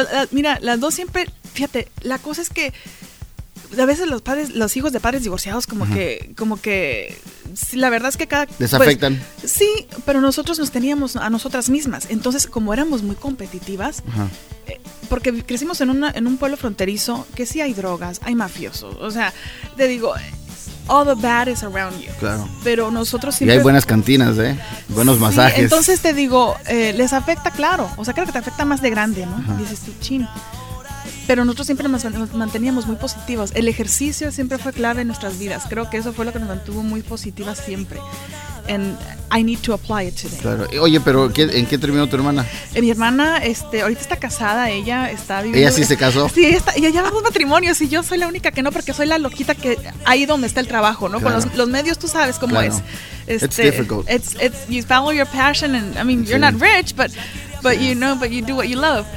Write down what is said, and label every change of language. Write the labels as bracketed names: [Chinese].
[Spanish] Mira, las dos siempre, fíjate, la cosa es que a veces los padres, los hijos de padres divorciados como que, la verdad es que cada... ¿Desafectan? Pues, sí, pero nosotros nos teníamos a nosotras mismas, entonces como éramos muy competitivas... Ajá. Porque crecimos en un pueblo fronterizo que sí hay drogas, hay mafiosos. O sea, te digo, [English] all the bad is around you. [Spanish] Claro. Pero nosotros siempre... Y hay buenas cantinas, ¿eh? Buenos sí, masajes. Entonces te digo, les afecta, claro. O sea, creo que te afecta más de grande, ¿no? Ajá. Dices tú, chin. Pero nosotros siempre nos manteníamos muy positivos. El ejercicio siempre fue clave en nuestras vidas. Creo que eso fue lo que nos mantuvo muy positivas siempre. [English] And I need to apply it today. [Spanish] Claro. Oye, pero ¿en qué terminó tu hermana? Mi hermana, ahorita está casada. Ella está viviendo. ¿Ella sí se casó? Sí, ella lleva 2 matrimonios y yo soy la única que no, porque soy la loquita que ahí donde está el trabajo, ¿no? Claro. Con los medios, tú sabes cómo claro. es. [English] It's difficult. It's you follow your passion and I mean you're sí. not rich, but you know, but you do what you love.